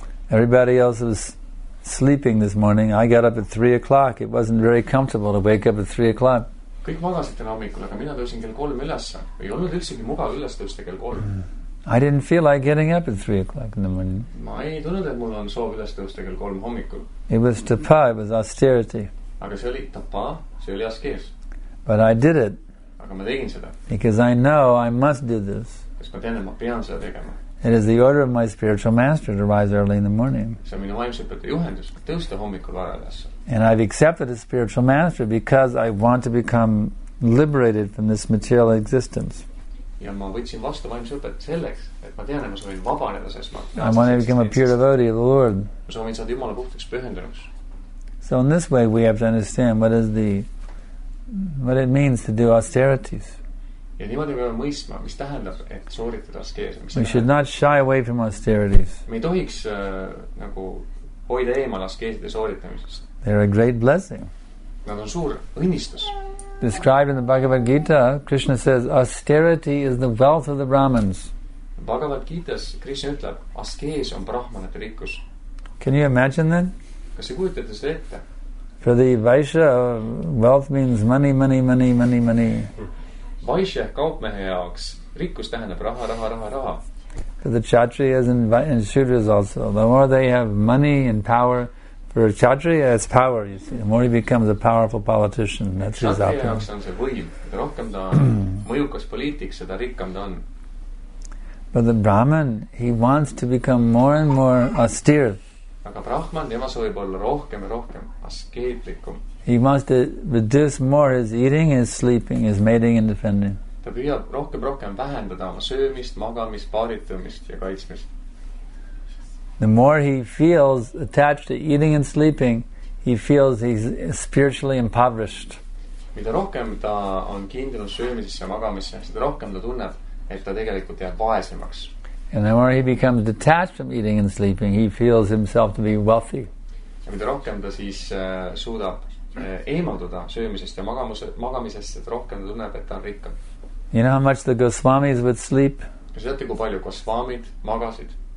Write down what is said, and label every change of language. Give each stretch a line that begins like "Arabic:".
English: Everybody else is sleeping this morning. I got up at 3 o'clock. It wasn't very comfortable to wake up at 3 o'clock.
Estonian: Kõik magasid täna hommikul, aga mina tõusin kell 3 ülesse. Ei olnud üldsegi mugav üles tõusta kell 3.
English: I didn't feel like getting up at 3 o'clock in the morning.
Estonian: Ma ei tunnud, et mul on soov üles tõusta kell 3 hommikul.
English: It was tapa, it was austerity.
Estonian: Aga see oli tapa, see oli askees.
English: But I did it.
Estonian: Aga ma tegin seda.
English: Because I know I must do this.
Estonian: Sest ma tean, et ma pean seda tegema.
English: It is the order of my spiritual master to rise early in the morning.
Estonian: See on minu vaimsõpetaja juhendus, kui tõusta hommikul varajasse.
English: And I've accepted a spiritual master because I want to become liberated from this material existence.
Estonian: Ja ma võtsin vastu vaimsõpetaja selleks, et ma tean, et ma soovin vabaneda, sest ma...
English: I want to become a pure devotee of the Lord.
Estonian: Ma soovin saada Jumala puhtaks pühendunuks.
English: So in this way we have to understand what it means to do austerities.
Estonian: Ja niimoodi peame mõistma, mis tähendab, et sooritada askeese.
English: We should not shy away from austerities.
Estonian: Me ei tohiks nagu hoida eemal askeeside sooritamisest.
English: They are a great blessing.
Estonian: Nad on suur õnnistus.
English: Described in the Bhagavad Gita, Krishna says, austerity is the wealth of the Brahmins.
Estonian: Bhagavad Gita's Krishna ütleb, askees on brahmanate rikkus.
English: Can you imagine that?
Estonian: Kas sa kujutate seda ette?
English: For the Vaishya, wealth means money, money, money, money, money.
Estonian: Vaishya kaupmehe jaoks rikkus tähendab raha, raha, raha, raha.
English: For the Kshatriyas and Shudras also, the more they have money and power, for a Kshatriya it's power, you see. The more he becomes a powerful politician, that's his opinion.
Estonian: Kshatriya jaoks on see võim. Rohkem ta mõjukas poliitik, seda rikkam ta on.
English: But the Brahman, he wants to become more and more austere.
Estonian: Aga Brahman, tema soovib olla rohkem ja rohkem askeetlikum.
English: He wants to reduce more his eating, his sleeping, his mating and defending.
Estonian: Ta püüab rohkem vähendada oma söömist, magamist, paaritumist ja kaitsmist.
English: The more he feels attached to eating and sleeping, he feels he's spiritually impoverished.
Estonian: Mida rohkem ta on kindlunud söömisesse ja magamisse, seda rohkem ta tunneb, et ta tegelikult jääb vaesemaks.
English: And the more he becomes detached from eating and sleeping, he feels himself to be wealthy.
Estonian: Ja mida rohkem ta siis suudab eemalduda söömisest ja magamisest, et rohkem tunneb, et ta on rikkam.
English: You know how much the Goswamis would sleep?
Estonian: Kas teate, kui palju Goswamid magasid?